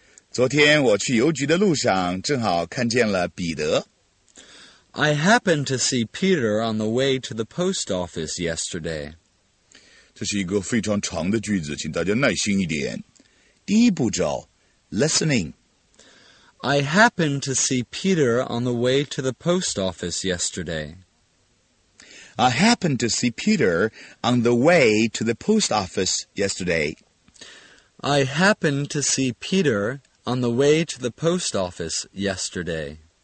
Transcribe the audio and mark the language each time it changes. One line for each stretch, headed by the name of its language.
Chinese: 昨天我去邮局的路上正好看见了彼得。
English: I happened to see Peter on the way to the post office yesterday.
Chinese: 这是一个非常长的句子，请大家耐心一点。第一步骤 ,listening.
English: I happened to see Peter on the way to the post office yesterday. I happened to see Peter on the way to the post office yesterday. I happened to see Peter on the way to the post office yesterday.